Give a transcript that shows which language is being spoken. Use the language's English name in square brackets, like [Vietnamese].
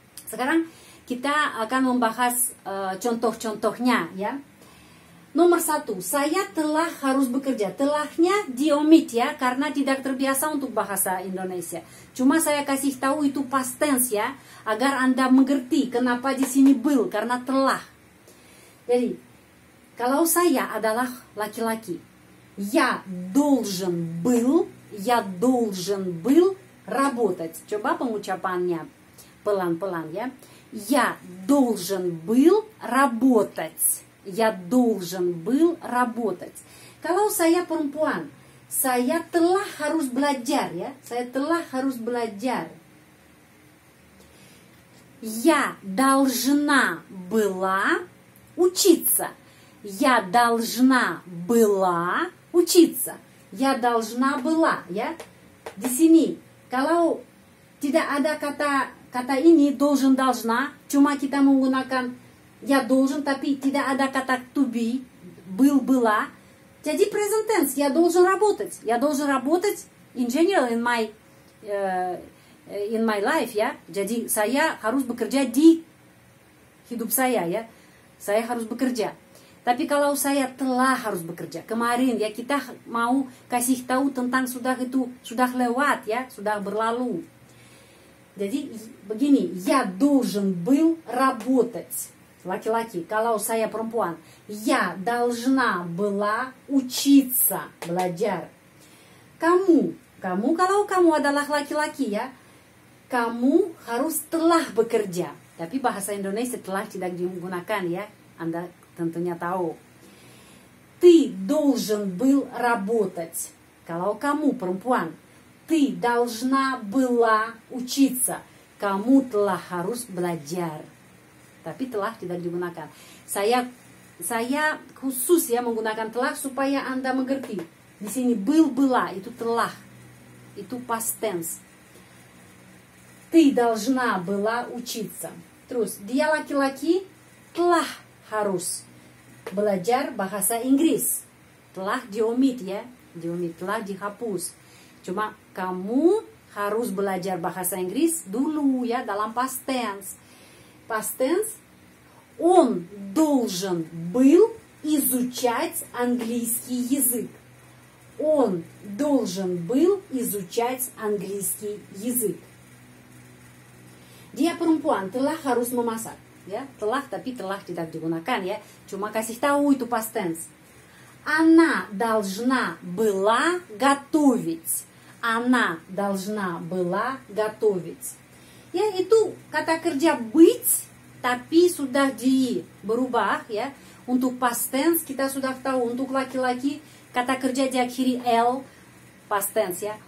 [Indonesian] Sekarang kita akan membahas contoh-contohnya, ya. Nomor satu, saya telah harus bekerja. Telahnya diomit, ya, karena tidak terbiasa untuk bahasa Indonesia. Cuma saya kasih tahu itu past tense, ya, agar Anda mengerti kenapa di sini был, karena telah. Jadi, kalau saya adalah laki-laki, [Russian] я должен был, я должен был работать. [Indonesian] Coba pengucapannya pelan-pelan, ya. [Russian] Я должен был работать. Я должен был работать. [Indonesian] Kalau saya perempuan, saya telah harus belajar, ya. Saya telah harus belajar. [Russian] Я должна была учиться. Я должна была учиться. Я должна была, ya. [Indonesian] di sini kalau tidak ada kata ini должен должна, cuma kita menggunakan ya должен, tapi tidak ada kata to be, был была, jadi present tense. [Russian] Я должен работать. Я должен работать [English] in general in my life, ya. [Indonesian] Jadi saya harus bekerja di hidup saya, ya. Saya harus bekerja. Tapi kalau saya telah harus bekerja kemarin, ya, kita mau kasih tahu tentang sudah itu sudah lewat, ya, sudah berlalu. Jadi begini, [Russian] я должен был работать. [Indonesian] Laki-laki, kalau saya perempuan, [Russian] я должна была учиться, [Indonesian] belajar. Kamu kalau kamu adalah laki-laki, ya, kamu harus telah bekerja. Tapi bahasa Indonesia telah tidak digunakan, ya, Anda tentunya tahu. [Russian] Ты должен был работать. [Indonesian] Kalau kamu perempuan, [Russian] ты должна была учиться. [Indonesian] Kamu telah harus belajar. Tapi telah tidak digunakan. Saya khusus, ya, menggunakan telah supaya Anda mengerti. Di sini был была itu telah. Itu past tense. [Russian] Ты должна была учиться. [Indonesian] Terus dia laki-laki telah harus belajar bahasa Inggris. Telah diomit, ya. Diomit, telah dihapus. Cuma kamu harus belajar bahasa Inggris dulu, ya, dalam past tense. [Russian] Past tense, он должен был изучать английский язык. Он должен был изучать английский язык. [Indonesian] Dia perempuan telah harus memasak. Ya, telah, tapi telah tidak digunakan, ya. Cuma kasih tahu itu past tense. [Russian] Она должна была готовить. Она должна была готовить. [Indonesian] Ya, itu kata kerja быть, tapi sudah berubah, ya. Untuk past tense kita sudah tahu, untuk laki-laki kata kerja diakhiri L, past tense, ya.